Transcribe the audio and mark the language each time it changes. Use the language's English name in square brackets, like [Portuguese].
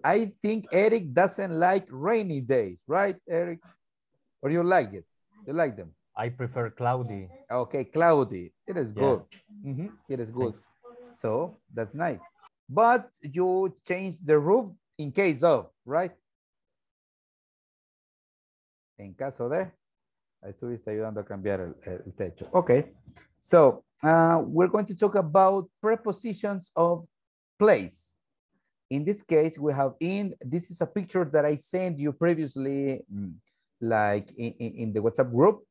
[English] I think Eric doesn't like rainy days, right, Eric? Or you like it? You like them? I prefer cloudy. Okay, cloudy. It is good. Yeah. Mm-hmm. It is good. So that's nice. But you change the roof in case of, right? [Spanish] En caso de, estuviste ayudando a cambiar el techo. [English] Okay. So we're going to talk about prepositions of place. In this case, we have in, this is a picture that I sent you previously, like in the WhatsApp group.